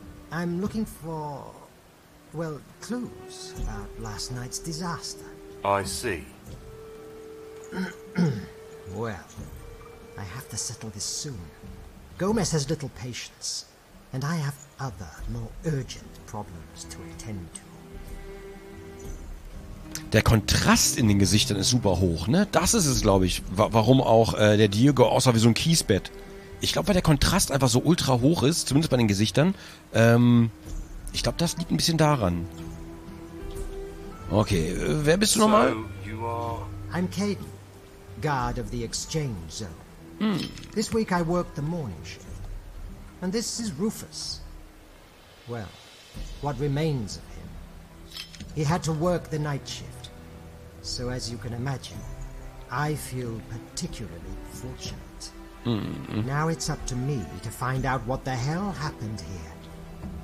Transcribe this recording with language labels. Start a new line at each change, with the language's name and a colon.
English: I'm looking for, well, clues about last night's disaster. I see. Well, I have to settle this soon. Gomez has little patience, and I have other, more urgent problems to attend to.
German: Der Kontrast in den Gesichtern ist super hoch, ne? Das ist es, glaube ich, warum auch der Diego aussah wie so ein Kiesbett. Ich glaube, weil der Kontrast einfach so ultra hoch ist, zumindest bei den Gesichtern, ich glaube, das liegt ein bisschen daran. Okay, wer bist du nochmal?
English: I'm Caden, guard of the exchange zone. This week I work the morning shift. And this is Rufus. Well, what remains of him? He had to work the night shift. So as you can imagine, I feel particularly fortunate. Now it's up to me to find out what the hell happened here.